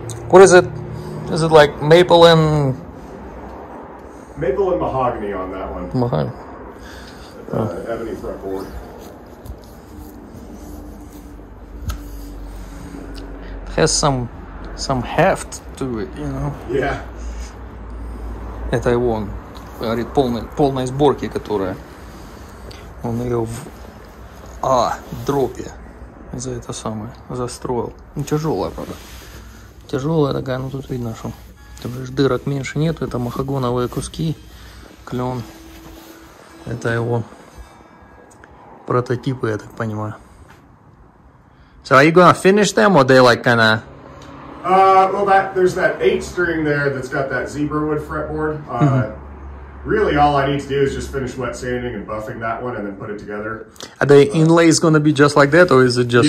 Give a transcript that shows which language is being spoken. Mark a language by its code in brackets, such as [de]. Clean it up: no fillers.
[en] What is it? Is it like maple and... Maple and mahogany on that one. Mahogany. Ebony fretboard. It has some heft to it, you know? Yeah. [ru] Это его, говорит, полной сборки, которая... Он ее в дропе за это самое застроил. Ну, тяжелая, правда. Тяжелая такая, ну тут видно, что. Там же дырок меньше нет. Это махагоновые куски. Клен. Это его прототипы, я так понимаю. [en] So are you gonna finish them or they like kinda. There's that 8 string there that's got that zebra wood fretboard. Really, all I need to do is just finish wet sanding and buffing that one and then put it together. Are the inlays going to be just like that, or is it just...